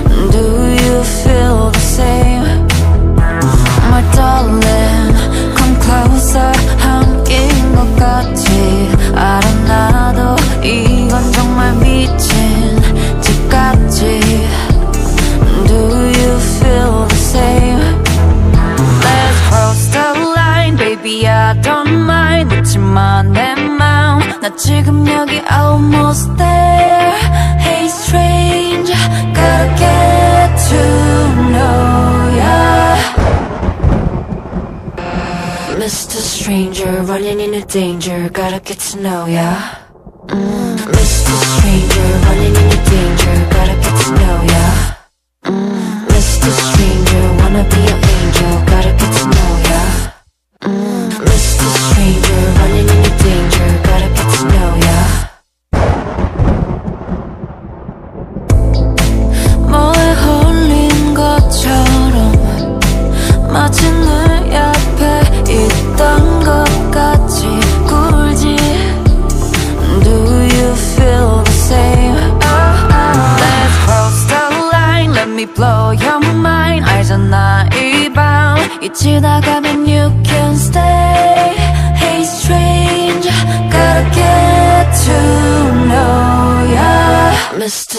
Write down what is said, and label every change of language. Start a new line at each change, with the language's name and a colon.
English: Do you feel the same? My darling, come closer.
Korean: 함께인 것 같이 알아 나도 이건 정말 미친 짓 같지.
English: Do you feel the same? Let's cross the line, baby, I don't mind.
Korean: 놓지만 내 마음 나 지금 여기
English: almost there. Hey stranger, gotta get to know ya. Mr. Stranger, running into danger, gotta get to know ya. Mr. Stranger, running into danger, gotta get to know ya. Mr. Stranger, wanna be an angel, gotta get to know ya. Mr. Stranger, running into danger, gotta get to know ya.
Korean: 뭐에 홀린 것처럼 마치 늘 옆에 있던 것 같이 굴지.
English: Do you feel the same? Let's cross the line, let me blow your mind.
Korean: 알잖아 이 밤 잊지 나가면
English: you can stay. Hey stranger, gotta get to know ya. Mr.